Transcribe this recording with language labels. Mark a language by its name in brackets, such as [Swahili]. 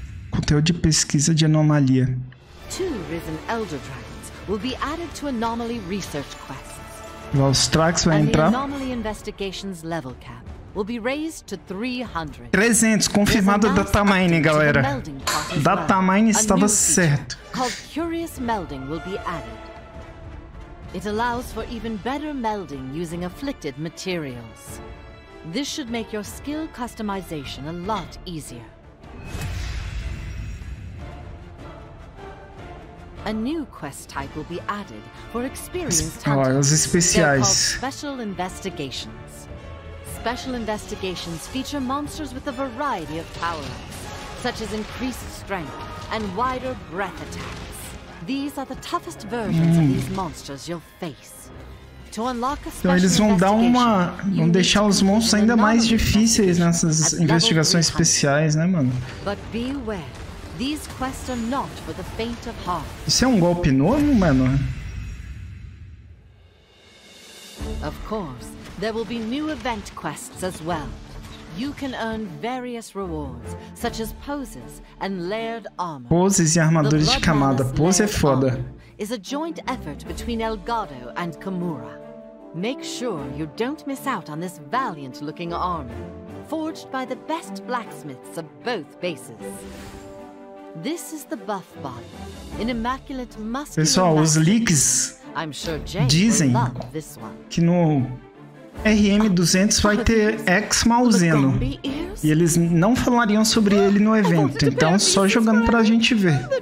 [Portuguese] Conteúdo de pesquisa de anomalia. [English] Two risen elder dragons will be added to anomaly research quests. [Portuguese] Valstrax vai entrar. [English] And the anomaly investigations level cap will be raised to 300. [Portuguese] 300, confirmado a datamine, galera. Datamine estava certo. [English] Called curious melding will be added. It allows for even better melding using afflicted materials. This should make your skill customization a lot easier. A new quest type will be added for experienced hunters. [Portuguese] Oh, especiais. [English] Special investigations. Special investigations feature monsters with a variety of power-ups, such as increased strength and wider breath attacks. These are the toughest versions of these monsters you'll face. To unlock a special [Portuguese] então eles vão dar uma, vão deixar os monstros ainda mais difíceis nessas investigações especiais, né, mano? [English] But beware, these quests are not for the faint of heart. [Portuguese] Isso é um golpe novo, mano? [English] Of course, there will be new event quests as well. You can earn various rewards, such as poses and layered armor. [Portuguese] Poses e armaduras de camada. Pose é foda. [English] Is a joint effort between Elgato and Kimura. Make sure you don't miss out on this valiant-looking armor, forged by the best blacksmiths of both bases. This is the buff body, an immaculate muscular. [Portuguese] Pessoal, os leaks dizem que no RM200 vai ter Ex-Malzeno. E eles não falariam sobre ele no evento. Então, só jogando pra gente ver.